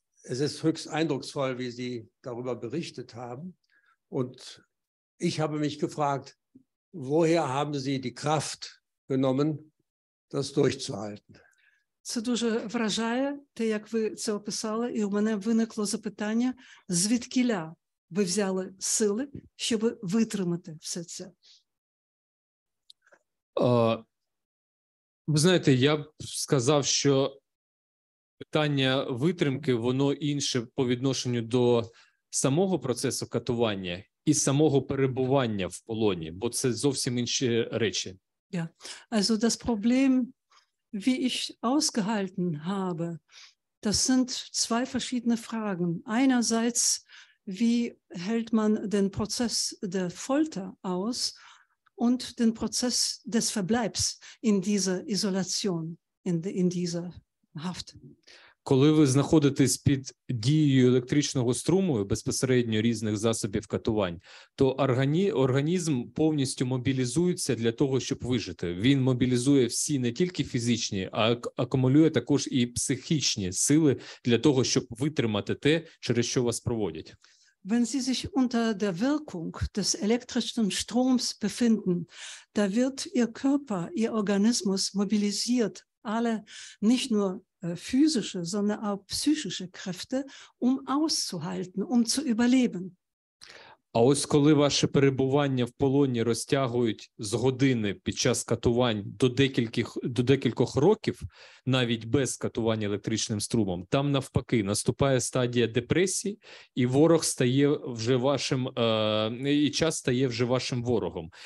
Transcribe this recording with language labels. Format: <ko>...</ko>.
<de>Es ist höchst eindrucksvoll, wie Sie darüber berichtet haben. Und ich habe mich gefragt, woher haben Sie die Kraft genommen, das durchzuhalten?</de> <uk>Це дуже вражає, те, як ви це описали, і у мене виникло запитання, звідкіля ви взяли сили, щоб витримати все це? Ви знаєте, я б сказав, що питання витримки, воно інше по відношенню до самого процесу катування і самого перебування в полоні, бо це зовсім інші речі.</uk> <de>Ja, also das Problem, wie ich ausgehalten habe, das sind zwei verschiedene Fragen. Einerseits, wie hält man den Prozess der Folter aus und den Prozess des Verbleibs in dieser Isolation, in dieser Haft?</de> <uk>Коли ви знаходитесь під дією електричного струму, безпосередньо різних засобів катувань, то організм повністю мобілізується для того, щоб вижити. Він мобілізує всі не тільки фізичні, а акумулює також і психічні сили для того, щоб витримати те, через що вас проводять.</uk> <de>Wenn Sie sich unter der Wirkung des elektrischen Stroms befinden, da wird Ihr Körper, Ihr Organismus mobilisiert, alle nicht nur physische, sondern auch psychische Kräfte, um auszuhalten, um zu überleben.</de> <uk>А ось коли ваше перебування в полоні розтягують з години під час катувань до декількох років, навіть без катування електричним струмом, там навпаки наступає стадія депресії, і ворог стає вже вашим і час стає вже вашим ворогом.</uk>